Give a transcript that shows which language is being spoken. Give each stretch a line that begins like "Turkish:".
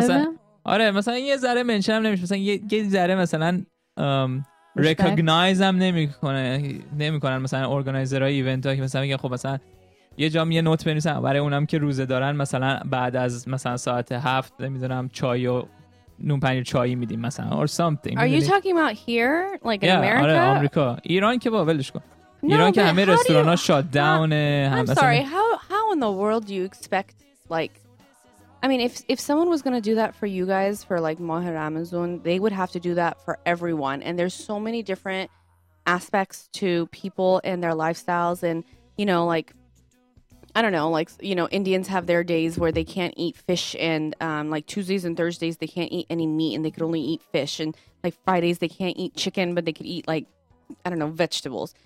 Persian: مثلا، آره مثلا یه ذره منشن هم نمیشه، مثلا یه ذره مثلا ریکگنایز هم نمی کنن مثلا ارگانایزر های ایونت ها، که مثلا میگن خب مثلا یه جا یه نوت بنویسن برای اونم که روزه دارن، مثلا بعد از مثلا ساعت 7 نمیدونم چای و نون پنیر چای میدیم مثلا
English: or something. Are you talking about here like in America?
Persian: آره آمریکا. ایران که باولش کن. ایران که همه رستوران ها شات داون.
English: I'm sorry. How in the world do you expect, like, I mean, if someone was going to do that for you guys for like ماه رمضان, they would have to do that for everyone, and there's so many different aspects to people and their lifestyles, and you know, like, I don't know, like, you know, Indians have their days where they can't eat fish, and like Tuesdays and Thursdays they can't eat any meat and they could only eat fish, and like Fridays they can't eat chicken but they could eat, like, I don't know, vegetables.